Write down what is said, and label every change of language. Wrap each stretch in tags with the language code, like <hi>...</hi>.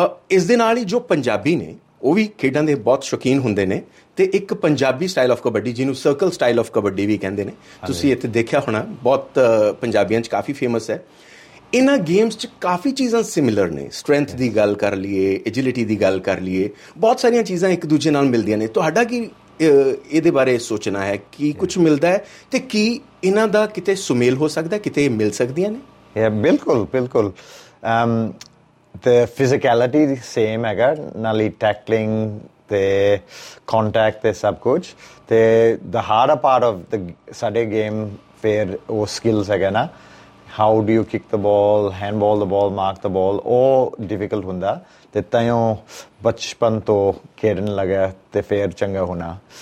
<pa>ਇਸ ਦੇ ਨਾਲ ਹੀ ਜੋ ਪੰਜਾਬੀ ਨੇ ਉਹ ਵੀ ਖੇਡਾਂ ਦੇ ਬਹੁਤ ਸ਼ੌਕੀਨ ਹੁੰਦੇ ਨੇ ਅਤੇ ਇੱਕ ਪੰਜਾਬੀ ਸਟਾਈਲ ਆਫ ਕਬੱਡੀ ਜਿਹਨੂੰ ਸਰਕਲ ਸਟਾਈਲ ਆਫ ਕਬੱਡੀ ਵੀ ਕਹਿੰਦੇ ਨੇ ਤੁਸੀਂ ਇੱਥੇ ਦੇਖਿਆ ਹੋਣਾ ਬਹੁਤ ਪੰਜਾਬੀਆਂ 'ਚ ਕਾਫੀ ਫੇਮਸ ਹੈ ਇਹਨਾਂ ਗੇਮਸ 'ਚ ਕਾਫੀ ਚੀਜ਼ਾਂ ਸਿਮਿਲਰ ਨੇ ਸਟਰੈਂਥ ਦੀ ਗੱਲ ਕਰ ਲਈਏ ਐਜਿਲਿਟੀ ਦੀ ਗੱਲ ਕਰ ਲਈਏ ਬਹੁਤ ਸਾਰੀਆਂ ਚੀਜ਼ਾਂ ਇੱਕ ਦੂਜੇ ਨਾਲ ਮਿਲਦੀਆਂ ਨੇ ਤੁਹਾਡਾ ਕੀ ਇਹਦੇ ਬਾਰੇ ਸੋਚਣਾ ਹੈ ਕੀ ਕੁਛ ਮਿਲਦਾ ਹੈ ਅਤੇ ਕੀ ਇਹਨਾਂ ਦਾ ਕਿਤੇ ਸੁਮੇਲ ਹੋ ਸਕਦਾ ਕਿਤੇ ਇਹ ਮਿਲ ਸਕਦੀਆਂ ਨੇ ਬਿਲਕੁਲ ਬਿਲਕੁਲ</pa> <en>The physicality is the same, nali tackling,</en> <pa>ਤੇ ਕੰਟੈਕਟ ਤੇ ਸਭ ਕੁਝ ਤੇ</pa> <en>the hard part of the</en> <pa>ਸਾਡੇ ਗੇਮ ਫਿਰ ਉਹ ਸਕਿੱਲਸ ਹੈਗਾ ਨਾ</pa> <en>how do you kick the ball</en> <pa>ਹੈਂਡ ਬੋਲ ਦ ਬੋਲ ਮਾਰਕ ਦ ਬੋਲ ਉਹ ਡਿਫੀਕਲਟ ਹੁੰਦਾ ਤੇ ਤਾਂ ਬਚਪਨ ਤੋਂ ਖੇਡਣ ਲੱਗਿਆ ਤੇ ਫਿਰ ਚੰਗਾ ਹੋਣਾ</pa>